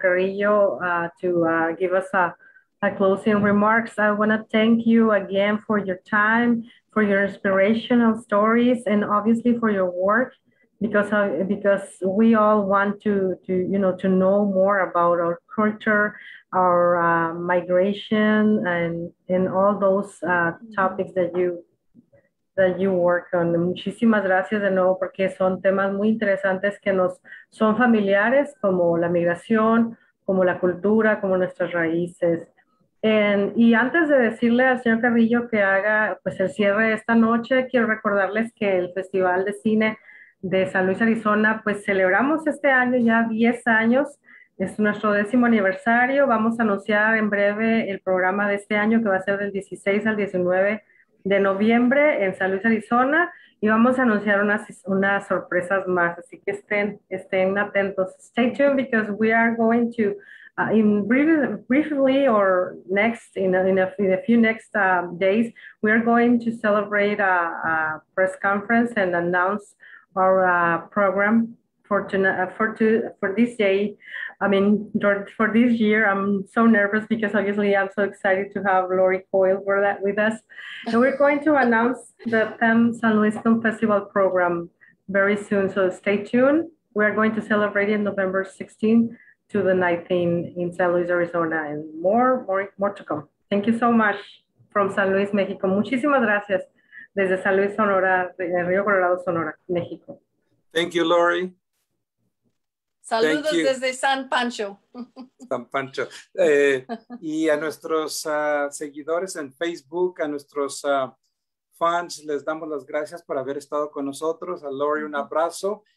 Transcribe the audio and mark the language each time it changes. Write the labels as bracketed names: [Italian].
[English] Carrillo give us a closing remarks, I want to thank you again for your time, for your inspirational stories, and obviously for your work, because we all want to know more about our culture, our migration, and all those topics that you work on. [Spanish] Muchísimas gracias de nuevo porque son temas muy interesantes que nos son familiares, como la migración, como la cultura, como nuestras raíces. Y antes de decirle al señor Carrillo que haga pues el cierre de esta noche, quiero recordarles que el Festival de Cine de San Luis, Arizona, pues celebramos este año ya 10 años, es nuestro 10º aniversario. Vamos a anunciar en breve el programa de este año, que va a ser del 16 al 19 de noviembre en San Luis, Arizona, y vamos a anunciar unas sorpresas más, así que estén atentos. [English] Stay tuned, because we are going to in a few next days, we are going to celebrate a press conference and announce our program for this year. I'm so nervous because obviously I'm so excited to have Laurie Coyle with us. And we're going to announce the PEM San Luis Film Festival program very soon. So stay tuned. We're going to celebrate in November 16th to the 19th in San Luis, Arizona, and more to come. Thank you so much from San Luis, Mexico. [Spanish] Muchísimas gracias desde San Luis, Sonora, Río Colorado, Sonora, Mexico. [English] Thank you, Laurie. [Spanish] Saludos desde San Pancho. San Pancho. Y a nuestros seguidores en Facebook, a nuestros fans, les damos las gracias por haber estado con nosotros. A Laurie, un abrazo.